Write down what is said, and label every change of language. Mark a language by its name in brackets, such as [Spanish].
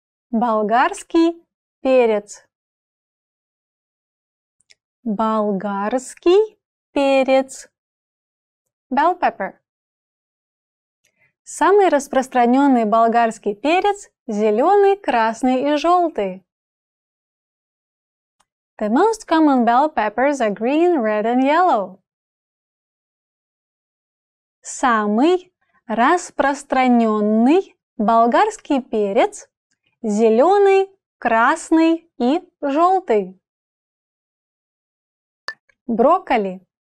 [Russian] Болгарский перец. Болгарский перец. [English] Bell pepper. [Russian] Самый распространенный болгарский перец – зеленый, красный и желтый. [English] The most common bell peppers are green, red and yellow. [Russian] Самый распространенный болгарский перец – зеленый, красный и желтый. Брокколи.